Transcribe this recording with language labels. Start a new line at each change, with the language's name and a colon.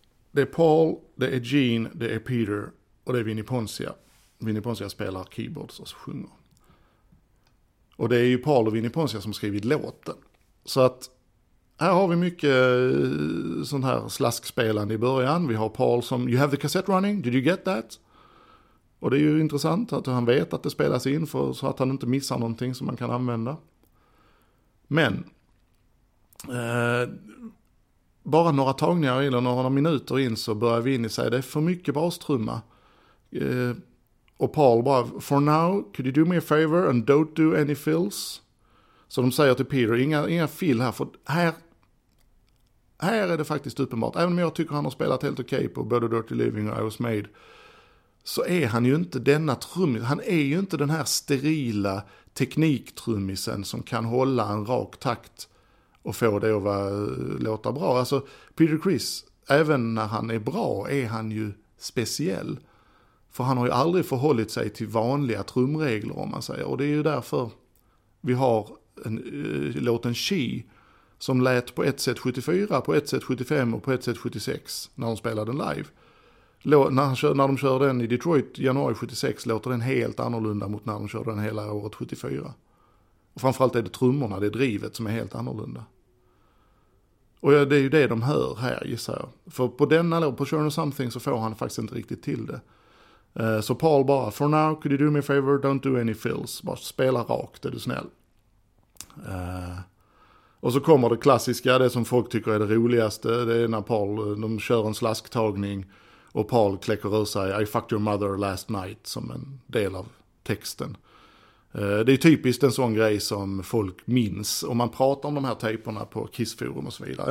Swedish: Det är Paul, det är Gene, det är Peter och det är Vinnie Poncia. Vinnie Poncia spelar keyboards och sjunger. Och det är ju Paul och Vinnie Poncia som skrivit låten. Så att här har vi mycket sån här slaskspelande i början. Vi har Paul som,
English: you have the cassette running, did you get that?
Swedish: Och det är ju intressant att han vet att det spelas in, för så att han inte missar någonting som man kan använda. Men bara några tagningar eller några minuter in så börjar Vinnie säga, det är för mycket bastrumma. Och Paul bara,
English: for now, could you do me a favor and don't do any fills?
Swedish: Så de säger till Peter, inga fill här, för här är det faktiskt uppenbart. Även om jag tycker han har spelat helt okej på både Dirty Living och I Was Made, så är han ju inte denna trummis. Han är ju inte den här sterila tekniktrummisen som kan hålla en rak takt och få det att låta bra. Alltså Peter Criss, även när han är bra, är han ju speciell. För han har ju aldrig förhållit sig till vanliga trumregler, om man säger. Och det är ju därför vi har låten She, som lät på ett sätt 74, på ett sätt 75 och på ett sätt 76 när de spelade den live. När de körde den i Detroit januari 76 låter den helt annorlunda mot när de körde den hela året 74. Och framförallt är det trummorna, det är drivet som är helt annorlunda. Och det är ju det de hör här, gissar jag. För på denna låt, på Sure Know Something, så får han faktiskt inte riktigt till det. Så Paul bara,
English: for now, could you do me a favor, don't do any fills.
Swedish: Bara spela rakt, är du snäll. Och så kommer det klassiska, det som folk tycker är det roligaste. Det är när Paul, de kör en slasktagning. Och Paul kläcker ur sig,
English: I fucked your mother last night,
Swedish: som en del av texten. Det är typiskt en sån grej som folk minns. Om man pratar om de här tejperna på Kissforum och så vidare.